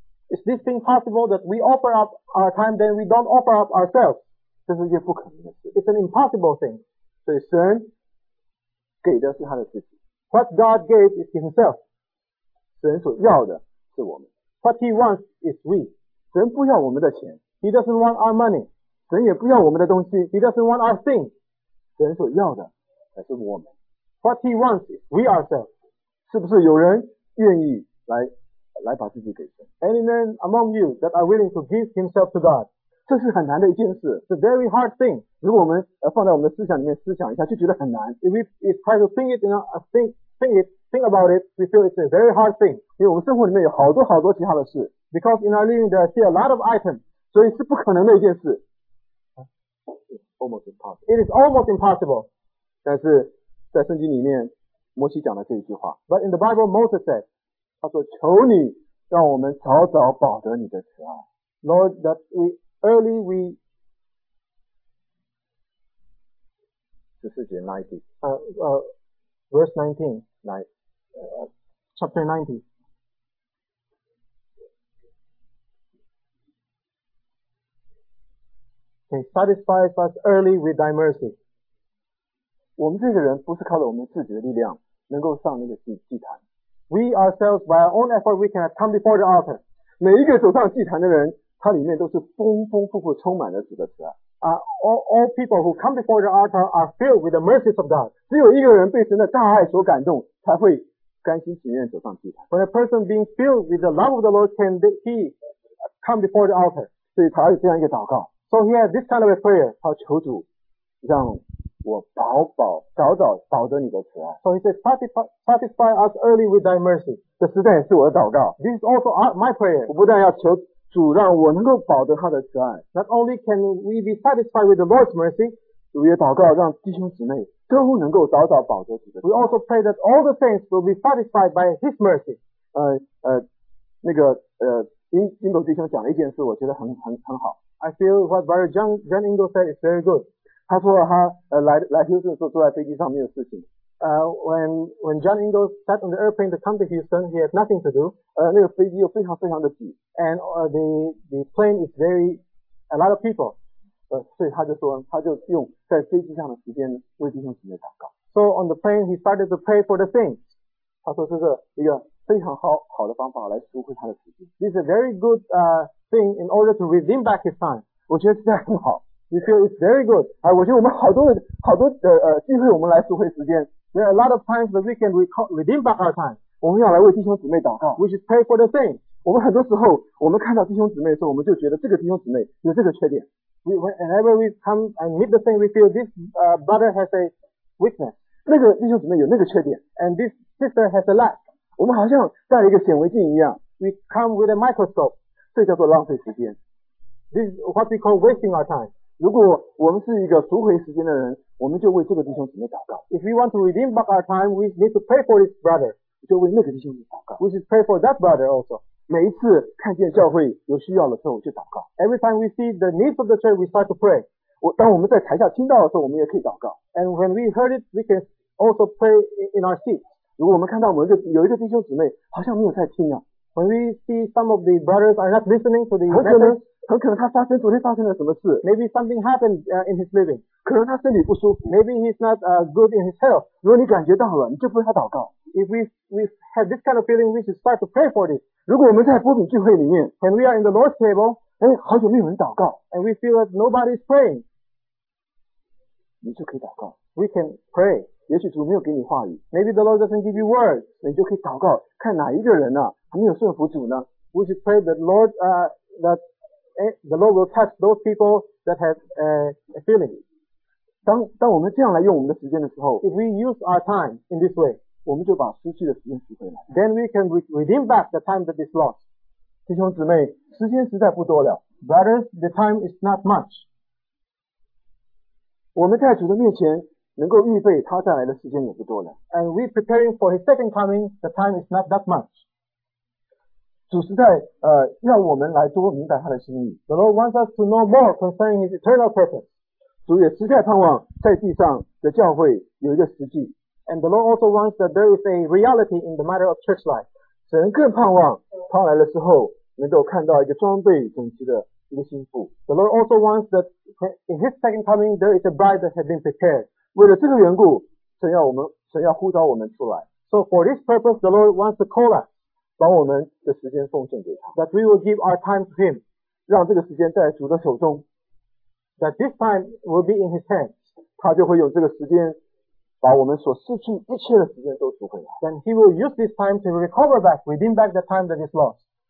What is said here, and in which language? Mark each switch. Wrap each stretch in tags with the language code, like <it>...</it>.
<en>Is this thing possible that we offer up our time, then we don't offer up ourselves?</en> <zh>这是一件不可能的事。</zh> <en>It's an impossible thing.</en> <zh>所以神给的是他的自己。</zh> <en>What God gave is Himself.</en> <zh>神所要的是我们。</zh> <en>What he wants is we.</en> <zh>神不要我们的钱。</zh> <en>He doesn't want our money.</en> <zh>神也不要我们的东西。</zh> <en>He doesn't want our things.</en> <zh>神所要的才是我们。</zh> <en>What he wants is we ourselves.</en> <zh>是不是有人愿意来把自己给神？</zh> <en>Any man among you that are willing to give himself to God.</en> <zh>这是很难的一件事。</zh> <en>It's a very hard thing.</en> <zh>如果我们放在我们的思想里面思想一下就觉得很难。</zh> <en>If we try to think it, think about it, we feel it's a very hard thing.</en> <zh>因为我们生活里面有好多好多其他的事。</zh> <en>Because in our living there are a lot of items.</en> <zh>所以是不可能的一件事。</zh> <en>It is almost impossible.</en> <zh>但是在圣经里面摩西讲了这一句话。</zh> <en>But in the Bible, Moses said,</en> <zh>他说求你让我们早早保得你的慈爱。</zh> <en>Lord, that we early we...</en> <zh>14节那一句。</zh> <en>Verse 19. Chapter 19. Okay, satisfy us early with thy mercy.</en> <zh>我们这些人不是靠着我们自己的力量能够上那个祭坛。</zh> <en>We ourselves, by our own effort, we can come before the altar.</en> <zh>每一个走上祭坛的人，他里面都是丰丰富富充满了主的慈爱。</zh> <en>All people who come before the altar are filled with the mercies of God.</en> <zh>只有一个人被神的大爱所感动，才会甘心情愿走上祭坛。</zh> <en>When a person being filled with the love of the Lord, can he come before the altar?</en> <zh>所以他有这样一个祷告。</zh> <en>So he has this kind of a prayer.</en> <zh>他求主让我早早保得你的慈爱。</zh> <en>So he says, satisfy us early with thy mercy.</en> <zh>这实在也是我的祷告。</zh> <en>This is also my prayer.</en> <zh>我不但要求主让我能够保得他的慈爱。</zh> <en>Not only can we be satisfied with the Lord's mercy,</en> <zh>主也祷告让弟兄姊妹都能够早早保得主的慈爱。</zh> <en>We also pray that all the saints will be satisfied by His mercy.</en> <zh>英斗弟兄讲了一件事，我觉得很好。</zh> <en>I feel what Brother John Ingle said is very good.</en> <zh>他说他来 Houston 的时候坐在飞机上没有事情。</zh> <en>When John Ingle sat on the airplane to come to Houston, he had nothing to do.</en> <zh>那个飞机又非常非常的挤。</zh> <en>And the plane is very a lot of people.</en> <zh>所以他就说，他就用在飞机上的时间为弟兄姊妹祷告。</zh> <en>So on the plane, he started to pray for the saints.</en> <zh>他说这是一个非常好的方法来赎回他的时间。</zh> <en>This is a very good thing in order to redeem back his time.</en> <zh>我觉得这样很好。</zh> <en>You feel it's very good.</en> <zh>我觉得我们好多机会，我们来赎回时间。</zh> <en>There are a lot of times that we can redeem back our time.</en> <zh>我们要来为弟兄姊妹祷告。</zh> <en>We should pray for the saints.</en> <zh>我们很多时候我们看到弟兄姊妹的时候，我们就觉得这个弟兄姊妹有这个缺点。</zh> <en>Whenever we come and meet the saint, we feel this brother has a weakness.</en> <zh>那个弟兄姊妹有那个缺点。</zh> <en>And this sister has a lack.</en> <zh>我们好像带了一个显微镜一样。</zh> <en>We come with a microscope.</en> <zh>这叫做浪费时间。</zh> <en>This is what we call wasting our time.</en> <zh>如果我们是一个赎回时间的人，我们就为这个弟兄姊妹祷告。</zh> <en>If we want to redeem back our time, we need to pray for this brother.</en> <zh>就为那个弟兄姊妹祷告。</zh> <en>We should pray for that brother also.</en> <zh>每一次看见教会有需要的时候，我就祷告。</zh> <en>Every time we see the needs of the church, we start to pray.</en> <zh>当我们在台下听到的时候，我们也可以祷告。</zh> <en>And when we heard it, we can also pray in our seats.</en> <zh>如果我们看到我们一个有一个弟兄姊妹好像没有在听啊。</zh> <en>When we see some of the brothers are not listening to the</en> <zh>message, 很可能他发生昨天发生了什么事。</zh> <en>Maybe something happened in his living.</en> <zh>可能他身体不舒服。</zh> <en>Maybe he's not good in his health.</en> <zh>如果你感觉到了你就不要祷告。</zh> <en>If we have this kind of feeling, we should start to pray for this.</en> <zh>如果我们在播饼聚会里面</zh> <en>When we are in the Lord's table,</en> <zh>哎好久没有人祷告。</zh> <en>And we feel that nobody's praying.</en> <zh>你就可以祷告。</zh> <en>We can pray.</en> <zh>也许主没有给你话语</zh> <en>Maybe the Lord doesn't give you words.</en> <zh>你就可以祷告看哪一个人啊还没有顺服主呢</zh> <en>We should pray that Lord, that the Lord will touch those people that have a feeling.</en> <zh>当我们这样来用我们的时间的时候</zh> <en>If we use our time in this way,</en> <zh>我们就把失去的时间拾回来</zh> <en>Then we can redeem back the time that is lost.</en> <zh>弟兄姊妹时间实在不多了</zh> <en>Brothers, the time is not much.</en> <zh>我们在主的面前能够预备他再来的时间也不多了。</zh> <en>And we preparing for his second coming, the time is not that much.</en> <zh>主实在要我们来多明白他的心意。</zh> <en>The Lord wants us to know more concerning his eternal purpose.</en> <zh>主也实在盼望在地上的教会有一个实际。</zh> <en>And the Lord also wants that there is a reality in the matter of church life.</en> <zh>神更盼望他来的时候能够看到一个装备整齐的一个心腹。</zh> <en>The Lord also wants that in his second coming, there is a bride that has been prepared.</en> <zh>为了这个缘故神要呼召我们出来。</zh> <en>So for this purpose, the Lord wants to call us,</en> <zh>把我们的时间奉献给他。</zh> <en>That we will give our time to him,</en> <zh>让这个时间在主的手中。</zh> <en>That this time will be in his hands,</en> <zh>他就会用这个时间把我们所失去一切的时间都赎回来。</zh> <en>Then he will use this time to recover back, redeem back the time that is lost.</en>